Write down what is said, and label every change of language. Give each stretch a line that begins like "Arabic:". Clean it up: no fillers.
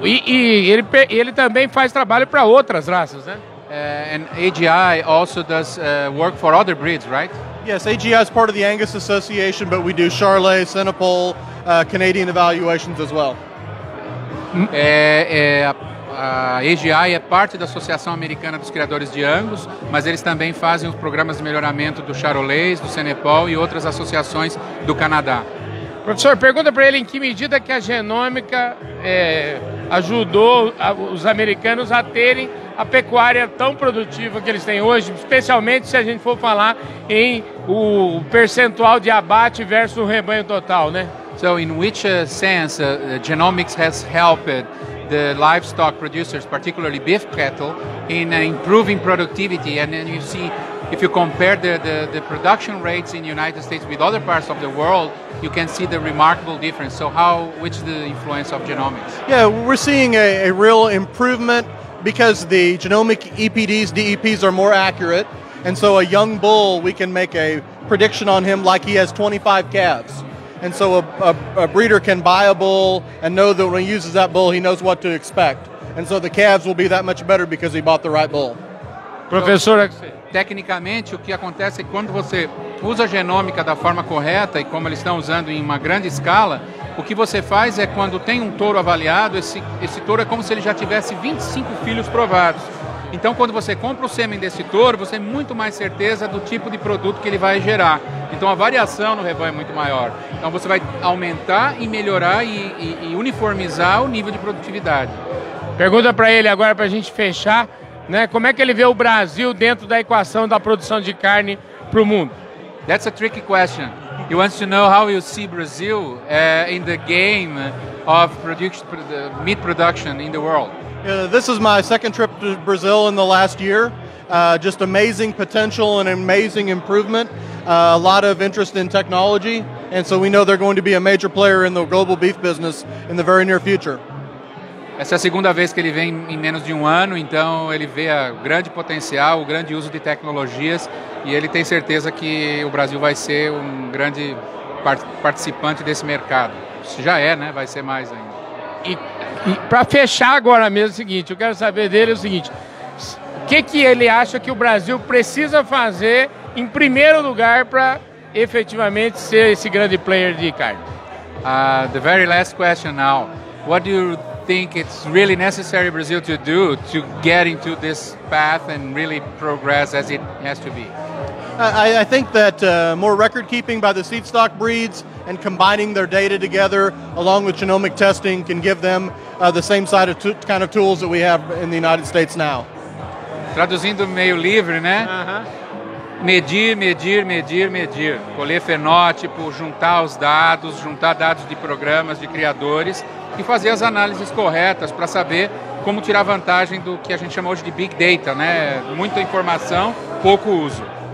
Portuguese: E ele também faz trabalho para outras raças, né?
English: And AGI also does work for other breeds, right? Yes, AGI is part of the Angus Association, but we do Charlet, Cinepol, Canadian evaluations as well.
Portuguese: A AGI é parte da Associação Americana dos Criadores de Angus, mas eles também fazem os programas de melhoramento do Charolais, do Cenepol e outras associações do Canadá. Professor, pergunta para ele em que medida que a genômica ajudou os americanos a terem a pecuária tão produtiva que eles têm hoje, especialmente se a gente for falar em o percentual de abate versus o rebanho total, né?
English: So, in which sense genomics has helped the livestock producers, particularly beef cattle, in improving productivity? And then you see, if you compare the production rates in the United States with other parts of the world, you can see the remarkable difference. So which is the influence of genomics? Yeah, we're seeing a real improvement because the genomic EPDs, DEPs, are more accurate. And so a young bull, we can make a prediction on him like he has 25 calves. And so a breeder can buy a bull and know that when he uses that bull, he knows what to expect. And so the calves will be that much better because he bought the right bull.
Portuguese: Professor, tecnicamente, o que acontece é que quando você usa a genômica da forma correta e como eles estão usando em uma grande escala, o que você faz é quando tem um touro avaliado, esse touro é como se ele já tivesse 25 filhos provados. Então, quando você compra o sêmen desse touro, você tem muito mais certeza do tipo de produto que ele vai gerar. Então, a variação no rebanho é muito maior. Então, você vai aumentar e melhorar e uniformizar o nível de produtividade. Pergunta para ele agora, para a gente fechar, né? Como é que ele vê o Brasil dentro da equação da produção de carne para o mundo?
English: That's a tricky question. He wants to know how you see Brazil in the game of meat production in the world. This is my second trip to Brazil in the last year. Just amazing potential and amazing improvement. A lot of interest in technology. And so we know they're going to be a major player in the global beef business in the very near future.
Portuguese: Essa é a segunda vez que ele vem em menos de ano, então ele vê o grande potencial, o grande uso de tecnologias e ele tem certeza que o Brasil vai ser um grande participante desse mercado. Isso já é, né? Vai ser mais ainda. E para fechar agora mesmo é o seguinte, eu quero saber dele é o seguinte, o que que ele acha que o Brasil precisa fazer em primeiro lugar para efetivamente ser esse grande player de carne?
English: The very last question now. What do you think it's really necessary Brazil to do to get into this path and really progress as it has to be? I think that more record keeping by the seed stock breeds and combining their data together along with genomic testing can give them the same side of kind of tools that we have in the United States now.
Portuguese: Traduzindo meio livre, né? Medir, colher fenótipo, juntar dados de programas de criadores e fazer as análises corretas para saber como tirar vantagem do que a gente chama hoje de big data, né? Muita informação, pouco uso.